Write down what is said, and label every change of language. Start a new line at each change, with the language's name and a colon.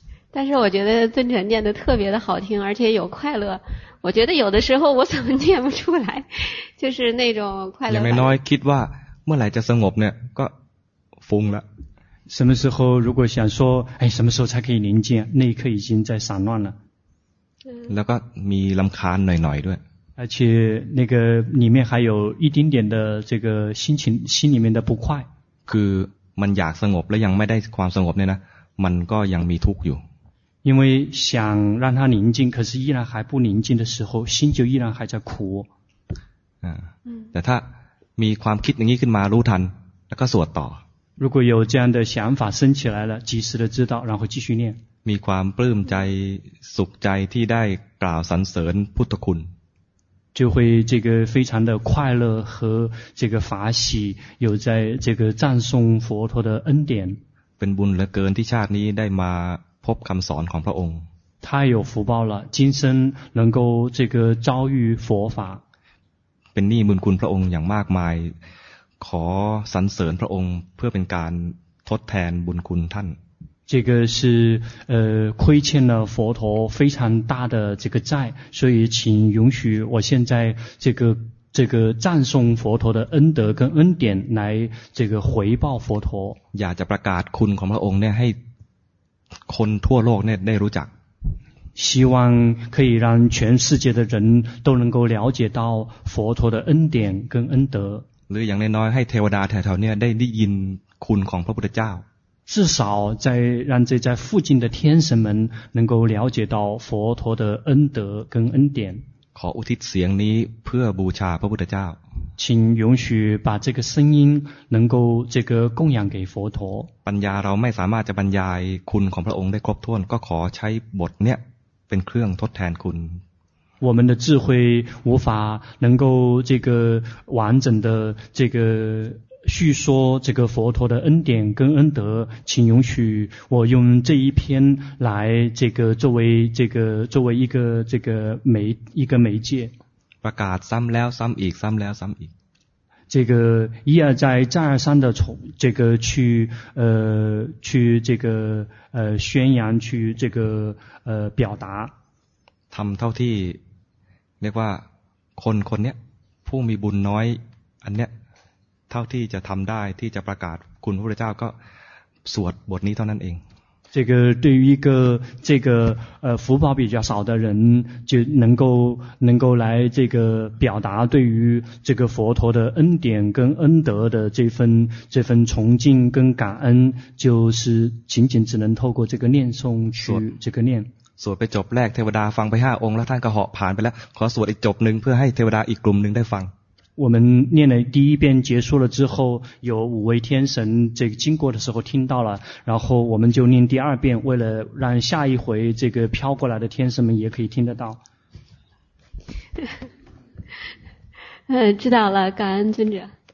Chinese: 但是我觉得尊者念得特别的好听而且有快乐我觉得有的时候我怎么念不出来就是那种快乐
Thai: ยังไม่น้อยคิดว่าเมื่อไหร่จะสงบเนี่ยก็ฟุ้งละ
Chinese: 什么时候如果想说哎什么时候才可以宁静那一刻已经在散乱了
Thai: แล้วก็มีรำคาญหน่อยๆด้วย
Chinese: 而且那个里面还有一丁点的这个心情心里面的不快
Thai: คือมันอยากสงบและยังไม่ได้ความสงบเนี่ยนะมันก็ยังมีทุกข์อยู่
Chinese: 因为想让它宁静可是依然还不宁静的时候心就依然还在苦
Thai: แต่ถ้ามีความคิดอย่างนี้ขึ้นมารู้ทันแล้วก็สวดต่อ
Chinese: 如果有这样的想法升起来了及时的知道然后继续念
Thai: มีความปลื้มใจสุขใจที่ได้กล่าวสรรเสริญพุทธคุณ
Chinese: 就会这个非常的快乐和这个法喜有在这个赞颂佛陀的恩典
Thai: เป็นบุญเหลือเกินที่ชาตินี้ได้มาพบคําสอนของพระองค์
Chinese: 太有福报了今生能够这个遭遇佛法
Thai: เป็นหนี้บุญคุณพระองค์อย่างมากมายขอสรรเสริญพระองค์เพื่อเป็นการทดแทนบุญคุณท่าน
Chinese: 这个是亏欠了佛陀非常大的这个债所以请允许我现在这个赞颂佛陀的恩德跟恩典来这个回报佛陀
Thai: อยากจะประกาศคุณของพระองค์เนี่ยให้คนทั่วโลกเนี่ยได้รู้จัก
Chinese: 希望可以让全世界的人都能够了解到佛陀的恩典跟恩德
Thai: หรืออย่างน้อยๆให้เทวดาแถวๆเนี่ยได้ยินคุณของพระพุทธเจ้า
Chinese: 至少在让这在附近的天神们能够了解到佛陀的恩德跟恩典
Thai: ขออุทิศเสียงนี้เพื่อบูชาพระพุทธเจ้า
Chinese: 请允许把这个声音能够这个供养给佛陀
Thai: ปัญญาเราไม่สามารถจะบรรยายคุณของพระองค์ได้ครบถ้วนก็ขอใช้บทเนี่ยเป็นเครื่องทดแทนคุณ
Chinese: 我们的智慧无法能够这个完整的这个叙说这个佛陀的恩典跟恩德请允许我用这一篇来这个作为这个作为一个这个媒一个媒介
Thai: ประกาศซ้ำแล้วซ้ำอีกซ้ำแล้วซ้ำอีก
Chinese: 这个一而再再而三的从这个去去这个宣扬去这个表达
Thai: ทำเท่าที่เรียกว่าคนคนเนี้ยผู้มีบุญน้อยอันเนี้ยเท่าที่จะทำได้ที่จะประกาศคุณพระพุทธเจ้าก็สวดบทนี้เท่านั้นเอง
Chinese: 这个对于一个这个福报比较少的人就能够来这个表达对于这个佛陀的恩典跟恩德的这份崇敬跟感恩就是仅仅只能透过这个念诵去这个念
Thai: สวดไปจบแรกเทวดาฟังไป5องค์แล้วท่านก็เหาะผ่านไปแล้วขอสวดอีกจบนึงเพื่อให้เทวดาอีกกลุ่มนึงได้ฟัง
Chinese: 我们念了第一遍结束了之后有五位天神这个经过的时候听到了然后我们就念第二遍为了让下一回这个飘过来的天神们也可以听得到知道了感恩尊者